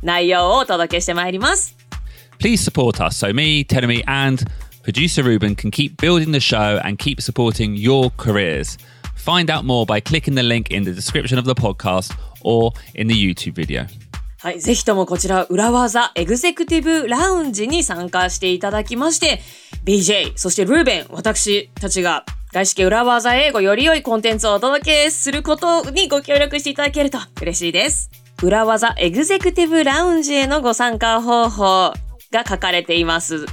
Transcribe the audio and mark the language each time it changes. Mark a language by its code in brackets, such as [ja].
[ja] こちら月額制のラウンジでございまして、まあ投げ銭制度でっていうんですかね。はい、そちらで少しずつ払っていただくとですね、限定コンテンツ、ボーナスエピソード、まあちょっとNGCなんかもね、お届けしちゃうのかしら。はい、他にもワークシートですとか、もっともっと外資系裏技英語でお届けしているコンテンツ、勉強になるような内容をお届けしてまいります。Please [en] support us, so me, Teremi, and producer Ruben can keep building the show and keep supporting your careers. Find out more by clicking the link in the description of the podcast or in the YouTube video. [ja] はい、ぜひともこちら裏技エグゼクティブラウンジに参加していただきまして、 BJ そしてルーベン、私たちが外資系裏技英語より良いコンテンツをお届けすることにご協力していただけると嬉しいです。裏技エグゼクティブラウンジへのご参加方法が書かれています。